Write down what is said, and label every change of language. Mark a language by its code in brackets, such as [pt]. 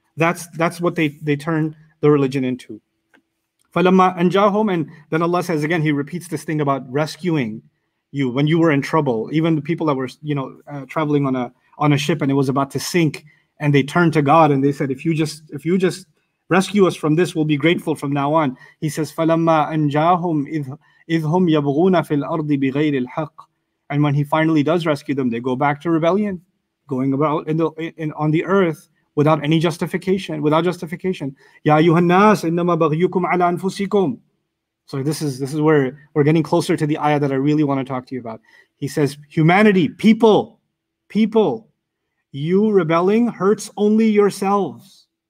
[en] That's what they turn the religion into. [ar] فَلَمَّا أَنْجَاهُمْ, [en] and then Allah says again, He repeats this thing about rescuing you when you were in trouble. Even the people that were, you know, traveling on a ship and it was about to sink, and they turned to God and they said, if you just rescue us from this, we'll be grateful from now on. He says, [ar] فَلَمَّا أَنْجَاهُمْ إِذْ هُمْ يَبْغُونَ فِي الْأَرْضِ بِغَيْرِ الْحَقِّ. [en] And when He finally does rescue them, they go back to rebellion, going about on the earth without any justification, without justification. [ar] يَا أَيُّهَا النَّاسِ إِنَّمَا بَغْيُكُمْ عَلَى أَنفُسِكُمْ. [en] So this is where we're getting closer to the ayah that I really want to talk to you about. He says, humanity, people, you rebelling hurts only yourselves.